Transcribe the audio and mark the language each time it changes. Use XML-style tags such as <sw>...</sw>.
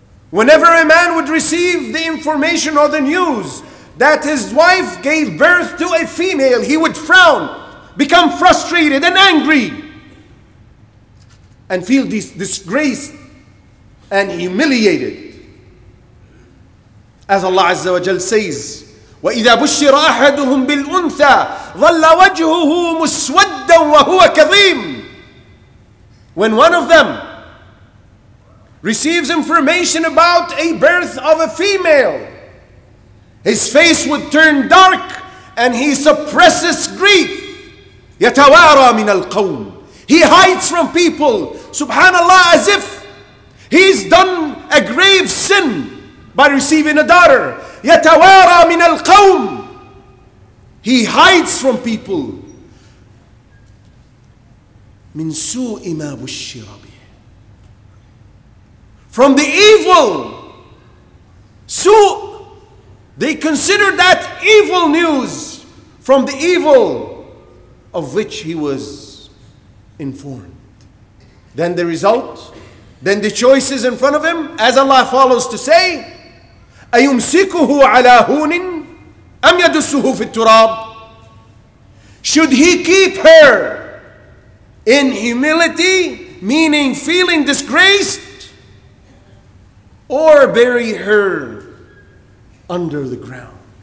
<en>Whenever a man would receive the information or the news that his wife gave birth to a female, he would frown, become frustrated and angry, and feel disgraced and humiliated. As Allah Azza wa Jal says,</en> <ar>وَإِذَا بُشِّرَ أَحَدُهُمْ بِالْأُنْثَى ظَلَّ وَجْهُهُ مُسْوَدًّا وَهُوَ كَظِيمٌ.</ar> <en>When one of them receives information about a birth of a female, His face would turn dark and he suppresses grief.</en> <ar>يَتَوَارَى مِنَ الْقَوْمِ</ar> <en>He hides from people, subhanAllah, as if he's done a grave sin by receiving a daughter.</en> <ar>يَتَوَارَى مِنَ الْقَوْمِ</ar> <en>He hides from people.</en> <ar>مِنْ سُوءِ مَا بُشِّرَ بِهِ</ar> <en>From the evil.</en> <ar>سوء.</ar> <en>They consider that evil news from the evil of which he was informed. Then the result, then the choices in front of him, as Allah follows to say,</en> <ar>أَيُمْسِكُهُ عَلَىٰ هُونٍ أَمْ يَدُسُّهُ فِي التُّرَابِ</ar> <en>Should he keep her in humility, meaning feeling disgraced, or bury her under the ground?</en>